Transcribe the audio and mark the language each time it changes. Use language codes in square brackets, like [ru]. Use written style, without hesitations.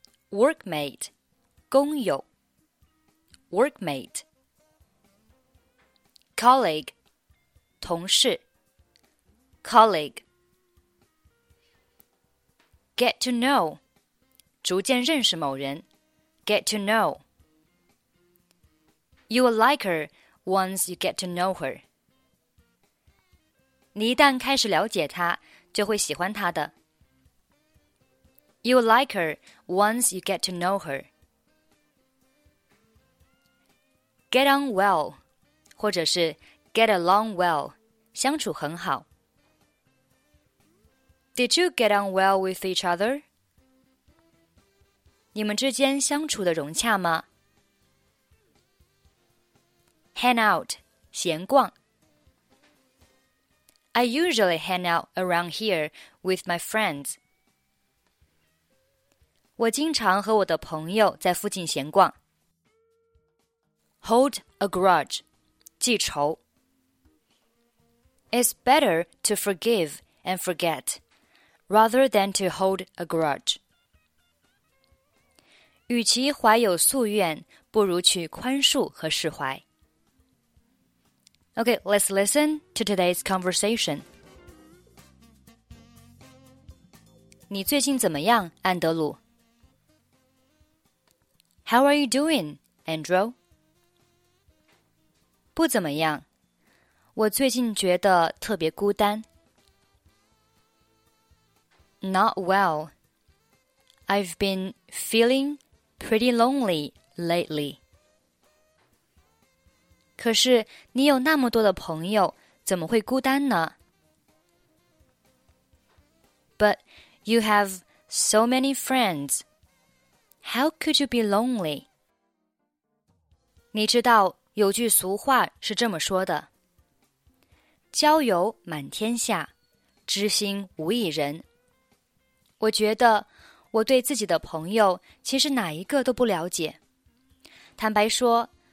[en] Workmate, 工友 Workmate Colleague, 同事 Colleague Get to know, 逐渐认识某人 Get to know You will like her once you get to know her. [zh] 你一旦开始了解她，就会喜欢她的。 [en] You like her once you get to know her. Get on well, 或者是 get along well, [zh] 相处很好。 [en] Did you get on well with each other? [zh] 你们之间相处的融洽吗 ？Hang out, 闲逛。 [en] I usually hang out around here with my friends. [zh] 我经常和我的朋友在附近闲逛。 [en] Hold a grudge, [zh] 记仇。 [en] It's better to forgive and forget, rather than to hold a grudge. [zh] 与其怀有夙愿，不如去宽恕和释怀。 [en] Okay, let's listen to today's conversation. [zh] 你最近怎么样，安德鲁？ [en] How are you doing, Andrew? [zh] 不怎么样，我最近觉得特别孤单。 [en] Not well. I've been feeling pretty lonely lately. [zh] 可是你有那么多的朋友，怎么会孤单呢 [en] ？But you have so many friends. How could you be lonely? [zh] 你知道有句俗话是这么说的：交友满天下，知心无一人。我觉得我对自己的朋友其实哪一个都不了解。坦白说。